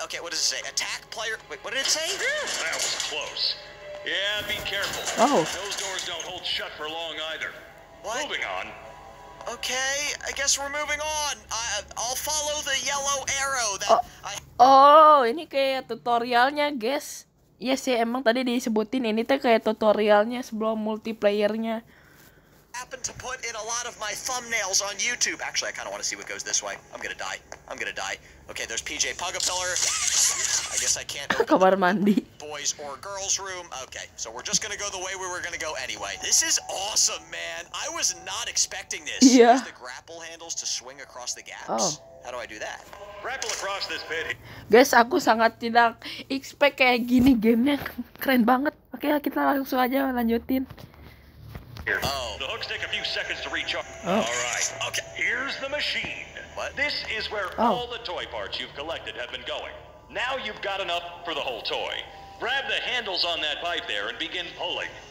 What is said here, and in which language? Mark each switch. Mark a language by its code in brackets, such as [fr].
[en] Okay, what does it say? Attack player. Wait, what did it say? That was close. Yeah, be careful. Oh. Those doors don't hold shut for long either. What? Moving on. Okay, I guess we're moving on. I'll follow the yellow arrow that [id] ini kayak tutorialnya, guys. Iya sih, emang tadi disebutin ini tuh kayak tutorialnya sebelum multiplayernya. [en] Happen to put in a lot of my thumbnails on YouTube. Actually, I kind of want to see what goes this way. I'm gonna die. Okay, there's PJ Pugapillar. I guess I can't open [id] kamar mandi. [en] Boys or girls room. Okay, so we're just gonna go the way we were gonna go anyway. This is awesome, man. I was not expecting this. Yeah. Use the grapple handles to swing across the gaps. Oh. How do I do that? Grapple across this pit. [id] Guys, aku sangat tidak expect kayak gini game-nya. Keren banget. Oke, okay, kita langsung aja lanjutin. Oh. [en] The hooks take a few seconds to reach up. Oh. All right. Okay. Here's the machine. What? This is where all the toy parts you've collected have been going. Now you've got enough for the whole toy. Grab the handles on that pipe there and begin pulling.